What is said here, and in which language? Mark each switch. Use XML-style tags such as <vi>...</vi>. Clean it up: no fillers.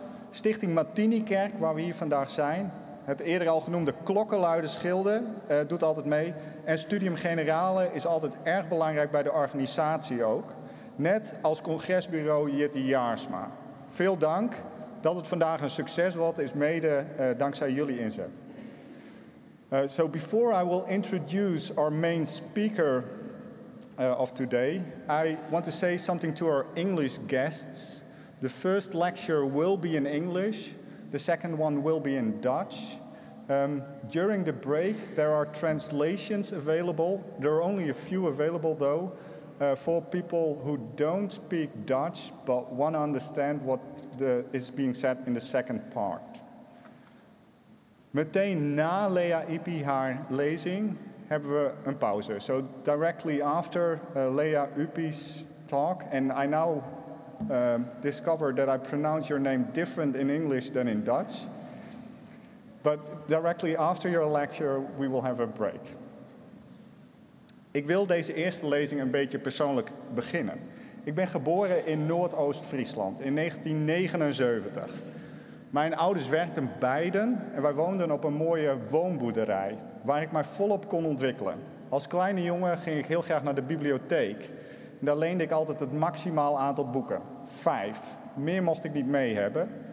<nl>Stichting Martinikerk, waar we hier vandaag zijn. Het eerder al genoemde klokkenluiderschilder doet altijd mee. En Studium Generale is altijd erg belangrijk bij de organisatie ook. Net als congresbureau Jitte Jaarsma. Veel dank dat het vandaag een succes wordt, is mede dankzij jullie inzet.</nl> <en>So before I will introduce our main speaker of today, I want to say something to our English guests. The first lecture will be in English, the second one will be in Dutch. During the break, there are translations available. There are only a few available, though, for people who don't speak Dutch but want to understand what is being said in the second part.</en> <nl>Meteen na Lea Uppi haar lezing hebben we een pauze.</nl> <en>So directly after Lea Uppi's talk, and I now discover that I pronounce your name different in English than in Dutch. But directly after your lecture, we will have a break.</en> <nl>Ik wil deze eerste lezing een beetje persoonlijk beginnen. Ik ben geboren in Noordoost-Friesland in 1979. Mijn ouders werkten beiden en wij woonden op een mooie woonboerderij waar ik mij volop kon ontwikkelen. Als kleine jongen ging ik heel graag naar de bibliotheek. En daar leende ik altijd het maximaal aantal boeken. 5. Meer mocht ik niet mee hebben.</nl>